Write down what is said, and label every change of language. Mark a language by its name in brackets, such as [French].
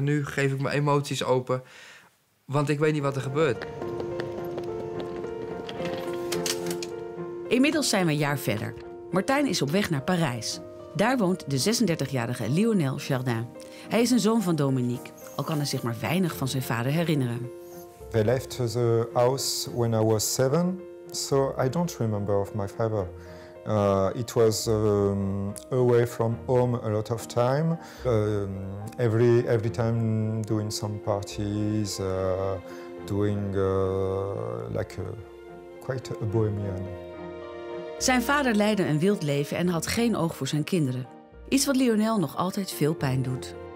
[Dutch] En nu geef ik mijn emoties open. Want ik weet niet wat er gebeurt. Inmiddels zijn we een jaar verder. Martijn is op weg naar Parijs. Daar woont de 36-jarige Lionel Jardin. Hij is een zoon van Dominique, al kan hij zich maar weinig van zijn vader herinneren. [English] They left the house when I was 7. So I don't remember of my father. It was away from home a lot of time. Every time doing some parties, doing like quite a bohemian. [Dutch] Zijn vader leidde een wild leven en had geen oog voor zijn kinderen. Iets wat Lionel nog altijd veel pijn doet.